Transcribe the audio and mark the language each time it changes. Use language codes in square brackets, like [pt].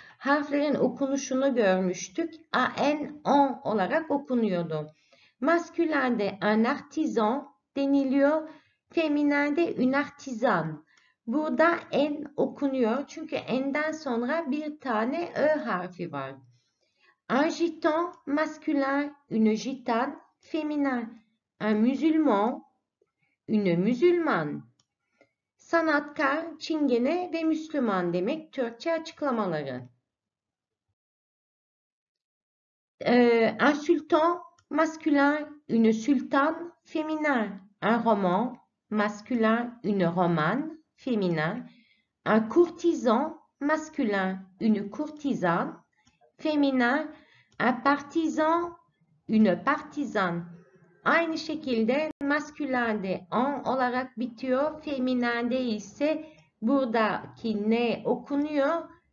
[tr] Harflerin okunuşunu görmüştük. ANO olarak okunuyordu. Maskülende [fr] un artisan [tr] deniliyor. Feminende [fr] un artisan. [tr] Burada N okunuyor. Çünkü N'den sonra bir tane Ö harfi var. [fr] Un gitan masculin, une gitane, féminin. Un musulman, une musulmane. [tr] Sanatkar, çingene ve Müslüman demek Türkçe açıklamaları. [fr] Un sultan, masculin, une sultane, féminin. Un roman, masculin, une romane, féminin. Un courtisan, masculin, une courtisane, féminin. Un partisan, une partisane. [tr] Aynı şekilde maskülen de an olarak bitiyor. Feminen de ise buradaki ne okunuyor?